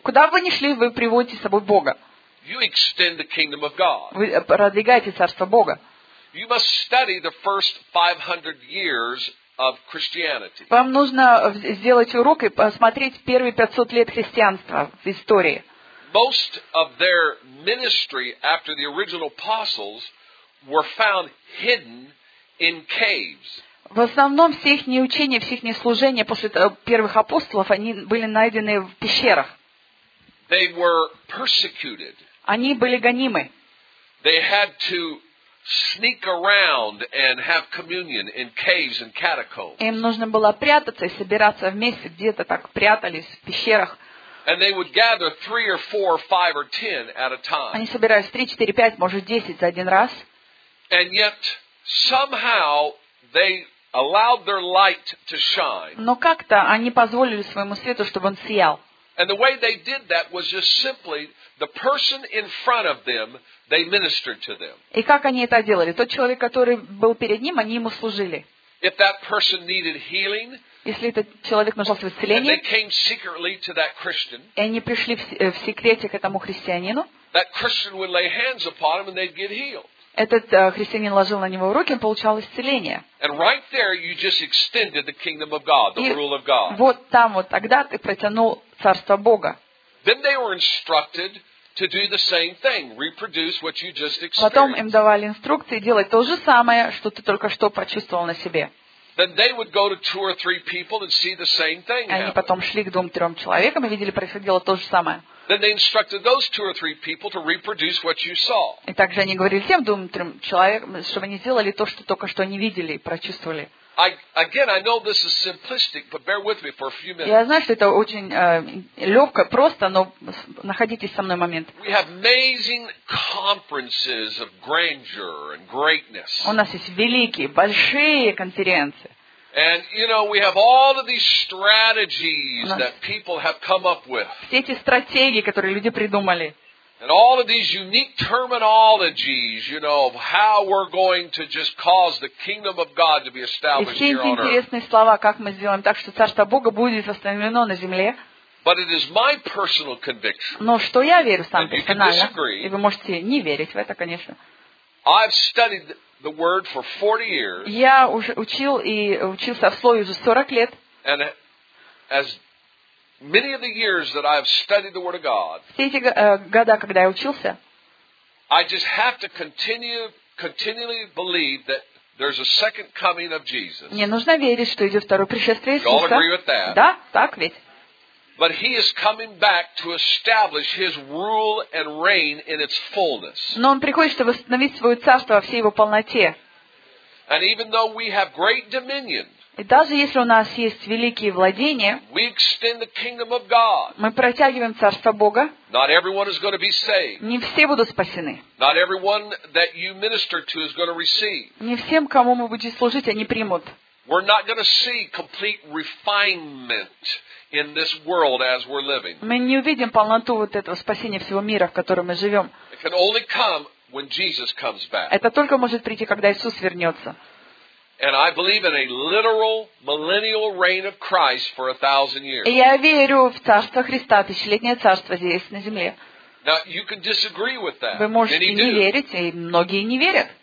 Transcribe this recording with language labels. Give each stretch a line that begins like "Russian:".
Russian: Куда бы вы ни шли, вы приводите с собой Бога.
English: You extend the kingdom of God.
Russian: Вы продвигаете царство Бога.
English: You must study the first 500 years of Christianity.
Russian: Вам нужно сделать урок и посмотреть первые 500 лет христианства в истории.
English: Most of their ministry after the original apostles were found hidden in caves.
Russian: В основном все их учения, все их служения после первых апостолов, они были найдены в пещерах.
English: They were persecuted.
Russian: Они были гонимы.
English: They had to sneak around and have communion in caves and catacombs.
Russian: Им нужно было прятаться и собираться вместе, где-то так прятались в пещерах.
English: And they would gather 3 or 4 or 5 or 10 at a time.
Russian: Они собирались 3, 4, 5, может 10 за один раз.
English: And yet somehow they allowed their light to shine.
Russian: Но как-то они позволили своему свету, чтобы он сиял.
English: And the way they did that was just simply the person in front of them, they ministered to them.
Russian: И как они это делали? Тот человек, который был перед ним, они ему служили.
English: If that person needed healing,
Russian: если этот человек нуждался в исцелении,
English: they came secretly to that Christian,
Russian: и они пришли в секрете к этому христианину,
English: that Christian would lay hands upon him and they'd get healed.
Russian: Этот христианин ложил на него руки, он получал исцеление.
English: And right there you just extended the kingdom of God, the rule of God.
Russian: И вот там вот тогда ты протянул царство Бога.
English: Then they were instructed to do the same thing, reproduce what you just experienced.
Russian: Потом им давали инструкции делать то же самое, что ты только что почувствовал на себе.
English: Then they would go to 2 or 3 people and see the same thing.
Russian: Они потом шли к 2-3 человекам и видели, происходило то же самое.
English: Then they instructed those 2 or 3 people to reproduce what you saw.
Russian: И также они говорили тем 2-3 человекам, чтобы они сделали то, что только что они видели и прочувствовали.
English: I know this is simplistic, but bear with me for a few minutes.
Russian: Я знаю, что это очень легко, просто, но находитесь со мной момент.
English: We have amazing conferences of grandeur and greatness.
Russian: У нас есть великие, большие конференции.
English: And you know, we have all of these strategies that people have come up with.
Russian: Все эти стратегии, которые люди придумали.
English: And all of these unique terminologies, you know, of how we're going to just cause the kingdom of God to be established here on earth.
Russian: Все эти интересные слова, как мы сделаем так, что царство Бога будет восстановлено на земле.
English: But it is my personal conviction.
Russian: Но что я верю сам персонально, и вы можете не верить в это, конечно.
English: I've studied the word for 40 years.
Russian: Я уже учил и учился в слове уже 40 лет.
English: And as many of the years that I have studied the Word of God,
Russian: все эти года, когда я учился,
English: I just have to continually believe that there's a second coming of Jesus.
Russian: Мне нужно верить, что идет второе пришествие Иисуса.
English: You all agree with that?
Russian: Да, так ведь.
English: But he is coming back to establish his rule and reign in its fullness.
Russian: Но он приходит, чтобы восстановить свое царство во всей его полноте.
English: And even though we have great dominion,
Russian: и даже если у нас есть великие владения, мы протягиваем царство Бога. Не все будут спасены. Не всем, кому мы будем служить, они примут.
English: We're not going to see complete refinement in this world as we're living.
Russian: Мы не увидим полноту вот этого спасения всего мира, в котором мы живем.
English: It can only come when Jesus comes back.
Russian: Это только может прийти, когда Иисус вернется.
English: And I believe in a literal millennial reign of Christ for 1,000 years.
Russian: Я верю в царство Христа, тысячелетнее царство здесь на земле.
English: Now you can disagree with that.
Russian: Вы можете не верить, и многие не верят.